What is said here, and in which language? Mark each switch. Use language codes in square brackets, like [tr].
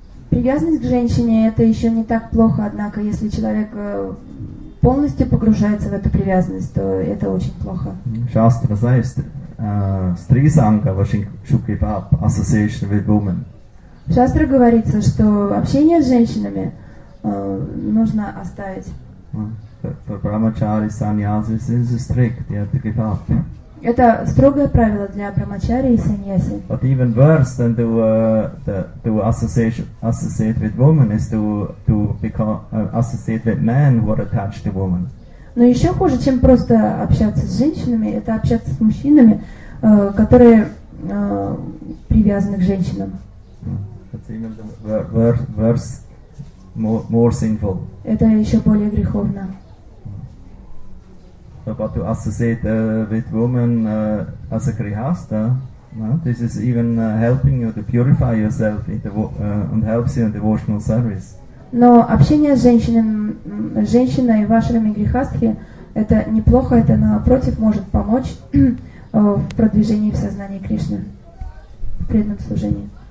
[ru] Привязанность к женщине – это еще не так плохо, однако, если человек полностью погружается в эту привязанность, то это очень плохо. [en] Shastra says, Strisanga should give up association with women. [ru] Shastra говорится, что общение с женщинами нужно оставить. [en] For brahmachari, sannyasis is strict, you have to give up. [ru] Это строгое правило для брахмачари и саньяси. [en] But even worse than to associate with women is to associate with men who are attached to women. [ru] Но еще хуже, чем просто общаться с женщинами, это общаться с мужчинами, которые привязаны к женщинам. [en] That's even worse, more sinful. [ru] Это еще более греховно. [en] But to associate with women as a grihastha, no? This is even helping you to purify yourself in and helps you in devotional service. [ru] Но общение с женщиной в ашраме грихастхи это неплохо, это напротив может помочь в продвижении в сознании Кришны, в преданном служении.